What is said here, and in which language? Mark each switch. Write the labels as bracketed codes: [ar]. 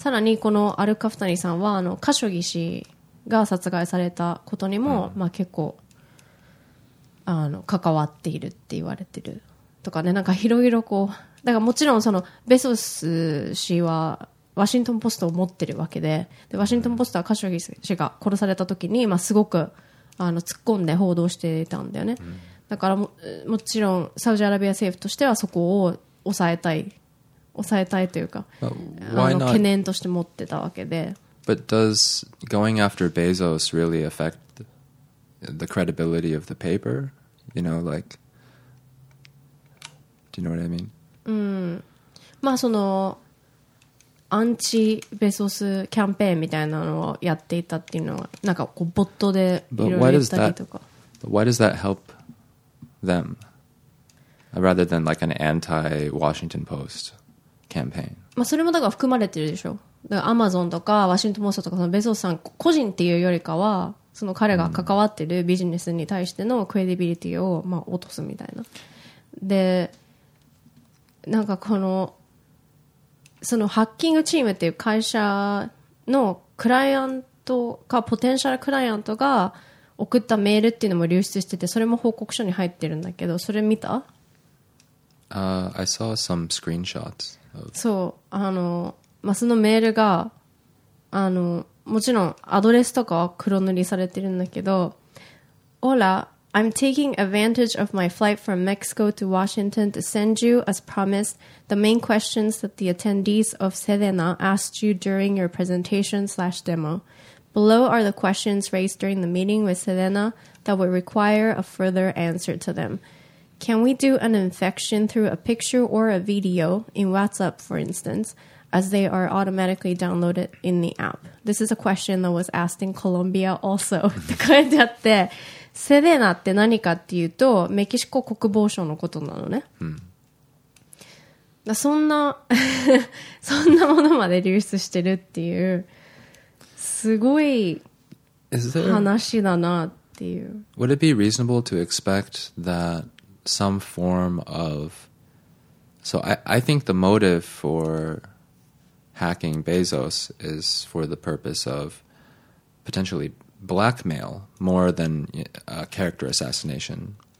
[ja] さらにこのアルカフタニさんはあのカショギ氏が殺害されたことにも、うん、まあ、結構あの関わっているって言われてるとかね、なんかいろいろこう、だからもちろんそのベゾス氏はワシントンポストを持ってるわけ でワシントンポストはカショギ氏が殺された時に、まあ、すごくあの突っ込んで報道していたんだよね、うん、だから もちろんサウジアラビア政府としてはそこを抑えたいというか、あの懸念として持ってたわけで。 [en] But does going after Bezos really affect the credibility of the paper? You know, like, do you know what I mean? [ja] うん、まあそのアンチベゾスキャンペーンみたいなのをやっていたっていうのはなんかこうボットでいろいろやったりとか。 [en] But why does that help? Them, rather than like an anti-Washington Post campaign. [ja] まあそれもだから含まれてるでしょ。だからAmazonとかワシントンポストとかそのベゾスさん個人っていうよりかはその彼が関わってるビジネスに対してのクレディビリティをまあ落とすみたいな。で、なんかこのそのハッキングチームっていう会社のクライアントかポテンシャルクライアントが送ったメールっていうのも流出してて、それも報告書に入ってるんだけど、それ見た？ [en] I saw some screenshots of... [ja] そう、あの、まあ、そのメールがあのもちろんアドレスとかは黒塗りされてるんだけど、 [en] Hola, I'm taking advantage of my flight from Mexico to Washington to send you, as promised, the main questions that the attendees of Sedena asked you during your presentation slash demoBelow are the questions raised during the meeting with Sedena that would require a further answer to them. Can we do an infection through a picture or a video in WhatsApp, for instance, as they are automatically downloaded in the app? This is a question that was asked in Colombia also. [ja] って書いてあって、Sedena って何かっていうと、メキシコ国防省のことなのね。 Hmm. そんな そんなものまで流出してるっていう、すごい話だなっていう。 [en] Would it be reasonable to expect that some form of... So I think the motive for hacking Bezos is for the purpose of potentially blackmail more than a character assassination.